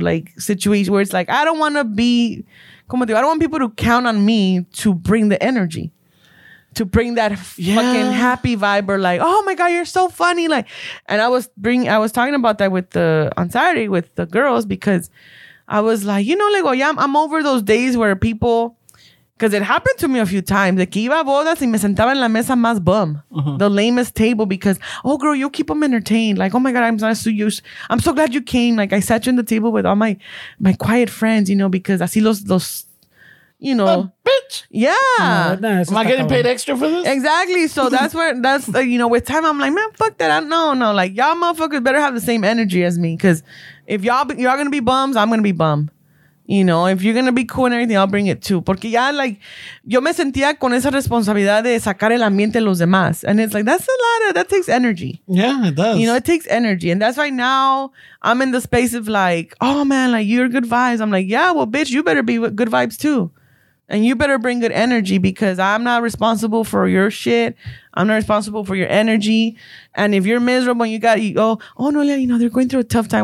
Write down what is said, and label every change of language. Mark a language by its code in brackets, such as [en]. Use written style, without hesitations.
[en] Like, situations where it's like, I don't want to be, [es] como digo, [en] I don't want people to count on me to bring the energy, to bring that fucking happy vibe, or like, oh my God, you're so funny. Like, and I was talking about that on Saturday with the girls, because I was like, you know, like, oh yeah, I'm over those days where people, because it happened to me a few times. [es] Like, iba a bodas y me sentaba en la mesa más bum. [en] Uh-huh. The lamest table, because, oh, girl, you keep them entertained. Like, oh, my God, I'm so glad you came. Like, I sat you in the table with all my quiet friends, you know, because [es] así los, [en] you know. A bitch. Yeah. No, am I getting paid extra for this? Exactly. So that's you know, with time, I'm like, man, fuck that. No. Like, y'all motherfuckers better have the same energy as me, because if y'all going to be bums, I'm going to be bum. You know, if you're going to be cool and everything, I'll bring it too. [es] Porque ya, like, yo me sentía con esa responsabilidad de sacar el ambiente a los demás. [en] And it's like, that takes energy. Yeah, it does. You know, it takes energy. And that's why now I'm in the space of like, oh man, like, you're good vibes. I'm like, yeah, well, bitch, you better be with good vibes too. And you better bring good energy, because I'm not responsible for your shit. I'm not responsible for your energy. And if you're miserable and they're going through a tough time.